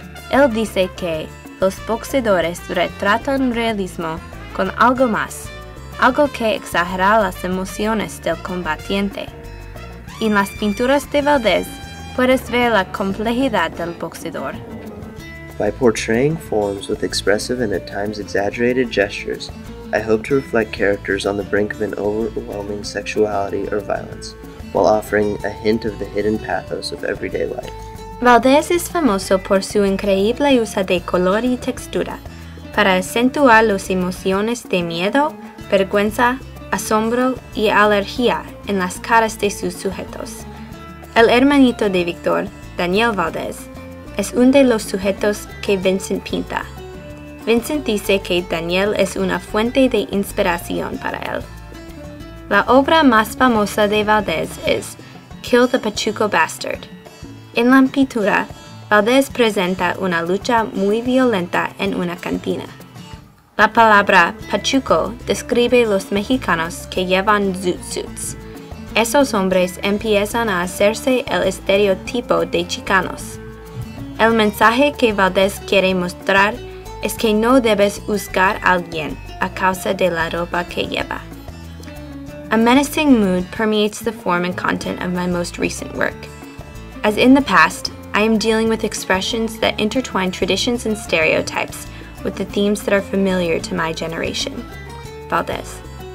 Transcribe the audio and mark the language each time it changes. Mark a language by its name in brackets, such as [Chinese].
[Spanish] Él dice que los boxeadores retratan realismo con algo más, algo que exagera las emociones del combatiente. En las pinturas de Valdez, puedes ver la complejidad del boxeador. [English] By portraying forms with expressive and at times exaggerated gestures, I hope to reflect characters on the brink of an overwhelming sexuality or violence, while offering a hint of the hidden pathos of everyday life. [Spanish] Valdez es famoso por su increíble uso de color y textura para acentuar las emociones de miedo, vergüenza, asombro y alergia en las caras de sus sujetos. El hermanito de Víctor, Daniel Valdez, es uno de los sujetos que Vincent pinta. Vincent dice que Daniel es una fuente de inspiración para él. La obra más famosa de Valdez es Kill the Pachuco Bastard. En la pintura, Valdez presenta una lucha muy violenta en una cantina. La palabra pachuco describe los mexicanos que llevan zoot suits. Esos hombres empiezan a hacerse el estereotipo de chicanos. El mensaje que Valdez quiere mostrar es que no debes juzgar a alguien a causa de la ropa que lleva. [English] A menacing mood permeates the form and content of my most recent work. As in the past, I am dealing with expressions that intertwine traditions and stereotypes with the themes that are familiar to my generation. Valdez.